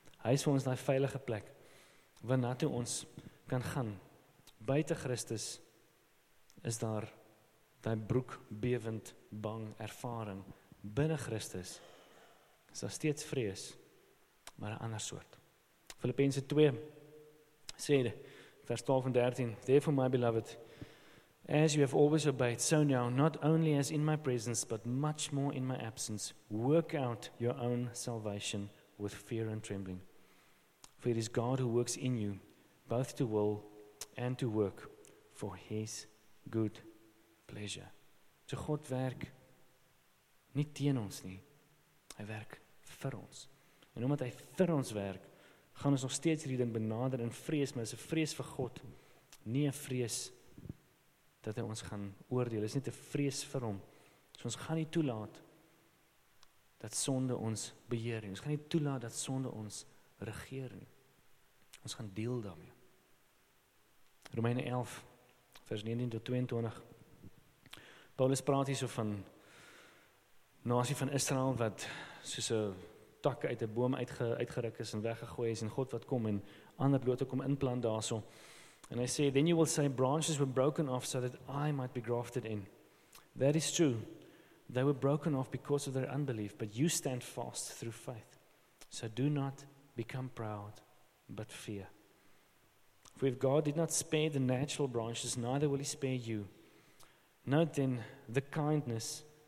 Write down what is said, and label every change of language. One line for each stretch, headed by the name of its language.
Afrikaans: Hy is vir ons daai veilige plek waarna toe ons kan gaan. Buite Christus is daar daai broek bewend bang ervaring. Binne Christus is daar steeds vrees, maar 'n ander soort. Filippense 2 sê vers 12 en 13,
English: therefore my beloved, as you have always obeyed, so now, not only as in my presence, but much more in my absence, work out your own salvation with fear and trembling. For it is God who works in you, both to will and to work for his good pleasure.
Afrikaans: So God werk nie teen ons nie, hy werk vir ons. En omdat hy vir ons werk, gaan ons nog steeds hierdie ding benader in vrees, maar is 'n vrees vir God, nie 'n vrees dat hy ons gaan oordeel. Is nie te vrees vir hom. So ons gaan nie toelaat dat sonde ons beheer nie. Ons gaan nie toelaat dat sonde ons regeer nie. Ons gaan deel daarmee. Romeine 11 vers 19 tot 22. Paulus praat hier so van nasie van Israel wat soos 'n tak uit 'n boom uitgeruk is en weggegooi is en God wat kom en ander blote kom inplant daarso.
English: And I say, then you will say, branches were broken off so that I might be grafted in. That is true. They were broken off because of their unbelief, but you stand fast through faith. So do not become proud, but fear. For if God did not spare the natural branches, neither will he spare you. Note then the kindness